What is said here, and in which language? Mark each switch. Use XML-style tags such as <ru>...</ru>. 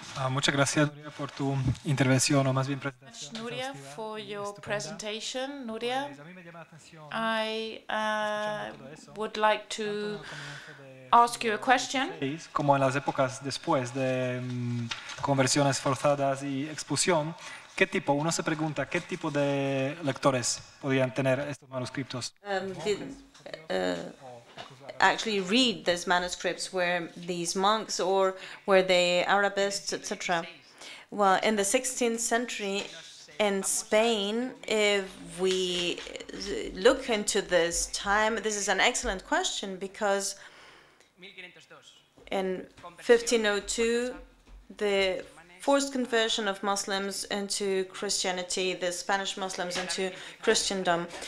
<es>Muchas gracias, Nuria, por tu intervención, o más bien presentación.</es> <en>Thank you, Nuria, for your presentation. Nuria, I would like to ask you a question.</en> <es>Como en las épocas después de conversiones forzadas y expulsión, ¿qué tipo? Uno se pregunta, ¿qué tipo de lectores podían tener estos manuscritos?</es> <en>Actually read these manuscripts, were these monks or were they Arabists, etc.? Well, in the 16th century in Spain, if we look into this time, this is an excellent question, because in 1502, the forced conversion of Muslims into Christianity, the Spanish Muslims into Christendom.</en>